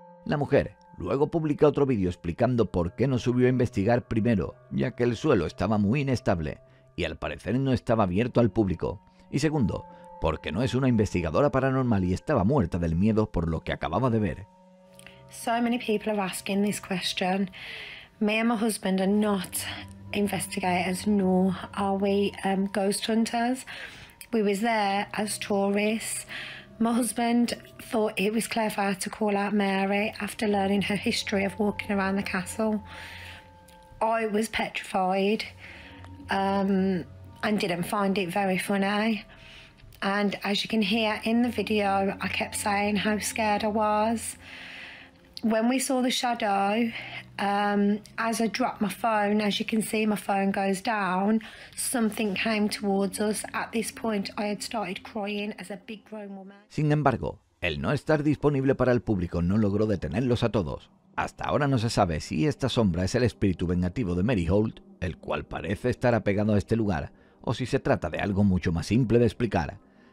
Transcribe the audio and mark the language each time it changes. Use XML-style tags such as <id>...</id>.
<es>La mujer luego publica otro vídeo explicando por qué no subió a investigar primero, ya que el suelo estaba muy inestable y al parecer no estaba abierto al público. Y segundo, porque no es una investigadora paranormal y estaba muerta del miedo por lo que acababa de ver.</es> <en>So many people are asking this question. Me and my husband are not investigators, nor are we ghost hunters. We was there as tourists. My husband thought it was clever to call out Mary after learning her history of walking around the castle. I was petrified and didn't find it very funny. And as you can hear in the video, I kept saying how scared I was. When we saw the shadow, as I dropped my phone, as you can see, my phone goes down, something came towards us. At this point, I had started crying as a big grown woman.</en> <es>Sin embargo, el no estar disponible para el público no logró detenerlos a todos. Hasta ahora no se sabe si esta sombra es el espíritu vengativo de Mary Holt, el cual parece estar apegado a este lugar, o si se trata de algo mucho más simple de explicar.</es>